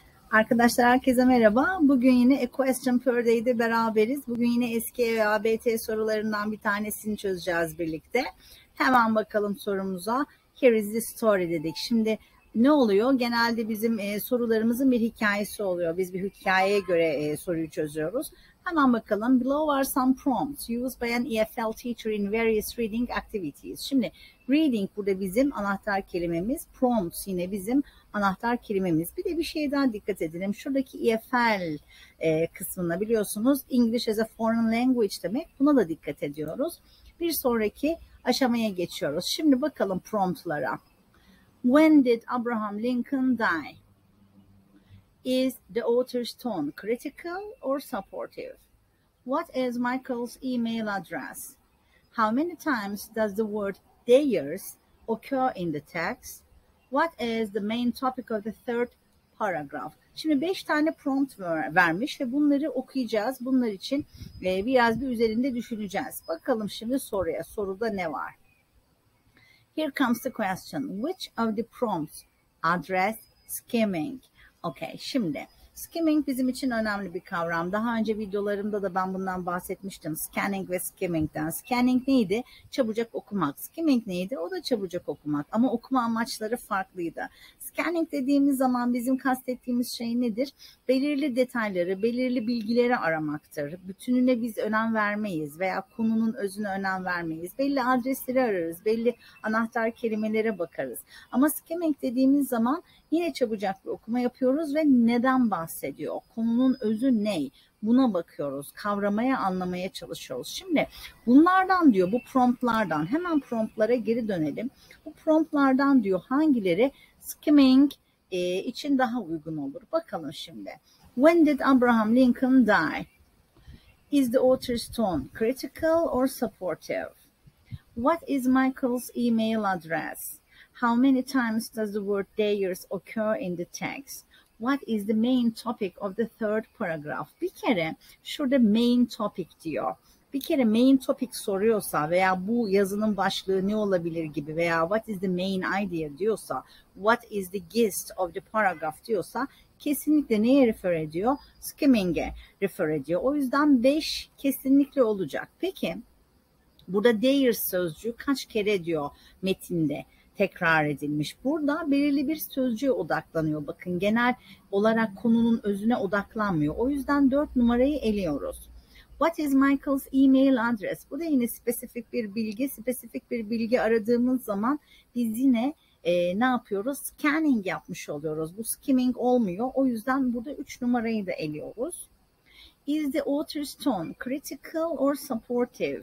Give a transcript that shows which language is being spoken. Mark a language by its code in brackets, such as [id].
[tr] Arkadaşlar herkese merhaba. Bugün yine Equestrian Pro Day'de beraberiz. Bugün yine eski EABT sorularından bir tanesini çözeceğiz birlikte. Hemen bakalım sorumuza. [en] Here is the story [tr] dedik. Şimdi ne oluyor? Genelde bizim sorularımızın bir hikayesi oluyor. Biz bir hikayeye göre soruyu çözüyoruz. Hemen bakalım. [en] Below are some prompts used by an EFL teacher in various reading activities. [tr] Şimdi reading burada bizim anahtar kelimemiz. Prompts yine bizim anahtar kelimemiz. Bir de bir şeye daha dikkat edelim. Şuradaki EFL kısmına biliyorsunuz [en] English as a foreign language [tr] demek. Buna da dikkat ediyoruz. Bir sonraki aşamaya geçiyoruz. Şimdi bakalım promptlara. [en] When did Abraham Lincoln die? Is the author's tone critical or supportive? What is Michael's email address? How many times does the word theirs occur in the text? What is the main topic of the third paragraph? [tr] Şimdi 5 tane prompt vermiş ve bunları okuyacağız. Bunlar için biraz bir üzerinde düşüneceğiz. Bakalım şimdi soruya. Soruda ne var? [en] Here comes the question. Which of the prompts address skimming? [tr] Okay, şimdi skimming bizim için önemli bir kavram. Daha önce videolarımda da ben bundan bahsetmiştim. Scanning ve skimming'den. Scanning neydi? Çabucak okumak. Skimming neydi? O da çabucak okumak. Ama okuma amaçları farklıydı. Scanning dediğimiz zaman bizim kastettiğimiz şey nedir? Belirli detayları, belirli bilgileri aramaktır. Bütününe biz önem vermeyiz veya konunun özüne önem vermeyiz. Belli adresleri ararız, belli anahtar kelimelere bakarız. Ama skimming dediğimiz zaman yine çabucak bir okuma yapıyoruz ve neden bahsediyor? Konunun özü ne? Buna bakıyoruz, kavramaya, anlamaya çalışıyoruz. Şimdi bunlardan diyor, bu promptlardan, hemen promptlara geri dönelim. Bu promptlardan diyor hangileri skimming için daha uygun olur. Bakalım şimdi. [en] When did Abraham Lincoln die? Is the author's tone critical or supportive? What is Michael's email address? How many times does the word theirs occur in the text? What is the main topic of the third paragraph? [tr] Bir kere şurada main topic diyor. Bir kere main topic soruyorsa veya bu yazının başlığı ne olabilir gibi veya [en] what is the main idea [tr] diyorsa, [en] what is the gist of the paragraph [tr] diyorsa kesinlikle neye refer ediyor? Skimming'e refer ediyor. O yüzden 5 kesinlikle olacak. Peki burada theirs sözcüğü kaç kere diyor metinde? Tekrar edilmiş. Burada belirli bir sözcüğe odaklanıyor. Bakın genel olarak konunun özüne odaklanmıyor. O yüzden 4 numarayı eliyoruz. [en] What is Michael's email address? [tr] Bu da yine spesifik bir bilgi. Spesifik bir bilgi aradığımız zaman biz yine ne yapıyoruz? Scanning yapmış oluyoruz. Bu skimming olmuyor. O yüzden burada 3 numarayı da eliyoruz. [en] Is the author's tone critical or supportive?